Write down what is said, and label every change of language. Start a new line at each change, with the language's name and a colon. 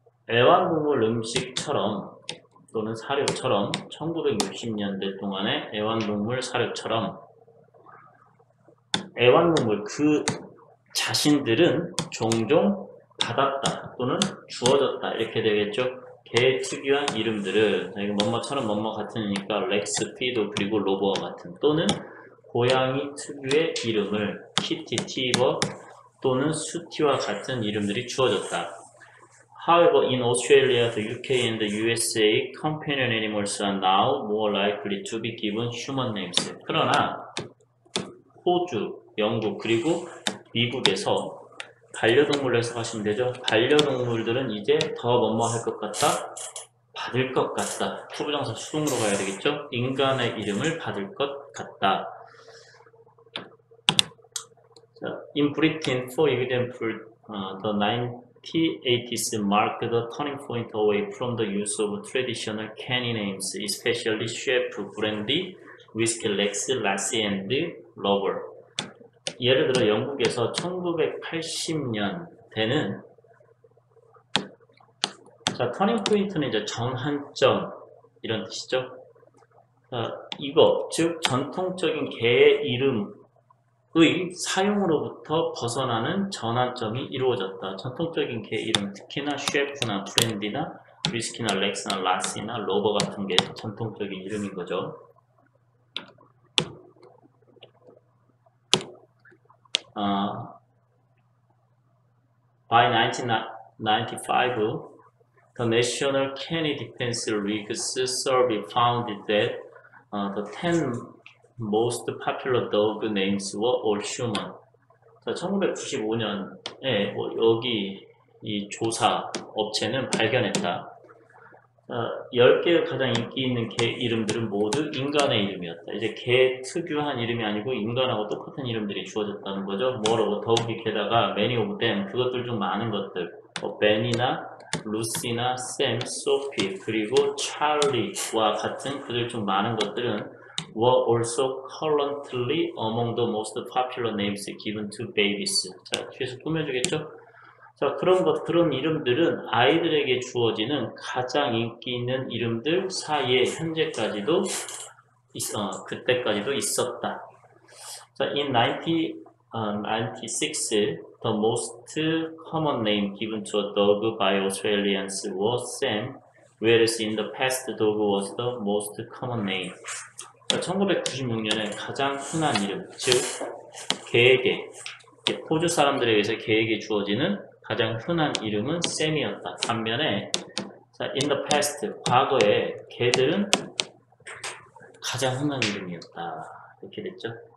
Korean: 애완동물 음식처럼 또는 사료처럼 1960년대 동안의 애완동물 사료처럼 애완동물 그 자신들은 종종 받았다 또는 주어졌다 이렇게 되겠죠. 개의 특유한 이름들을 멍멍처럼 멍멍 같으니까 렉스, 피도 그리고 로보와 같은 또는 고양이 특유의 이름을 키티, 티버 또는 수티와 같은 이름들이 주어졌다.
English: However, in Australia, the UK, and the USA, companion animals are now more likely to be given human names.
Korean: 그러나 호주, 영국 그리고 미국에서 반려동물로 해석하시면 되죠. 반려동물들은 이제 더 뭐뭐할 것 같다? 받을 것 같다. 초보정사 수동으로 가야 되겠죠? 인간의 이름을 받을 것 같다.
English: 자, in Britain, for example, the 1980s marked the turning point away from the use of traditional canine names, especially Chef, Brandy, Whiskey, Lex, Lassie, and Rover.
Korean: 예를 들어 영국에서 1980년대는 자 터닝포인트는 이제 전환점 이런 뜻이죠. 이거 즉 전통적인 개의 이름의 사용으로부터 벗어나는 전환점이 이루어졌다. 전통적인 개 이름 특히나 셰프나 브랜디나 위스키나 렉스나 라시나 로버 같은 게 전통적인 이름인 거죠.
English: By 1995, the National Canine Defense League's survey found that the 10 most popular dog names were all human.
Korean: 자, 1995년에 뭐 여기 이 조사 업체는 발견했다. 10개의 가장 인기 있는 개 이름들은 모두 인간의 이름이었다. 이제 개 특유한 이름이 아니고 인간하고 똑같은 이름들이 주어졌다는 거죠. 뭐라고 더욱이 게다가
English: many of them
Korean: 그것들 중 많은 것들 벤이나 루시나 샘, 소피 그리고 찰리와 같은 그들 중 많은 것들은
English: were also currently among the most popular names given to babies.
Korean: 자, 뒤에서 꾸며주겠죠? 자, 그런 이름들은 아이들에게 주어지는 가장 인기 있는 이름들 사이에 현재까지도 그때까지도 있었다.
English: 자, in 1996, the most common name given to a dog by Australians was Sam, whereas in the past, the dog was the most common name.
Korean: 자, 1996년에 가장 흔한 이름, 즉 개에게 호주 사람들에 의해서 개에게 주어지는 가장 흔한 이름은 샘이었다. 반면에,
English: in the past,
Korean: 과거에 개들은 가장 흔한 이름이었다. 이렇게 됐죠.